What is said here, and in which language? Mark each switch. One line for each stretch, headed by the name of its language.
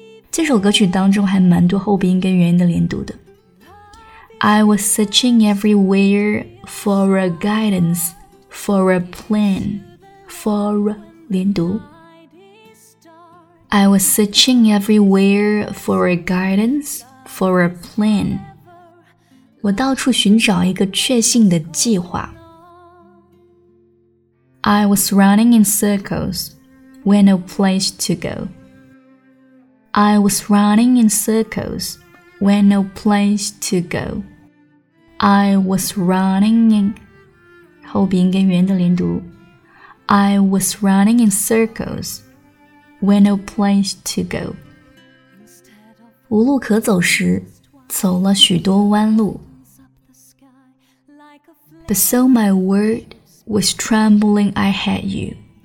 Chinese: 这首歌曲当中还蛮多后鼻音跟元音的连读的。
English: I was searching everywhere for a guidance, for a plan, for
Chinese: 连读。
English: I was searching everywhere for a guidance, for a plan.
Chinese: 我到处寻找一个确信的计划。
English: I was running in circles, with no place to go. I was running in circles, with no place to go. I was running in
Chinese: 后鼻音跟元的连读
English: I was running in circles with no place to go
Chinese: 无路可走时走了许多弯路
English: But so my word was trembling I had you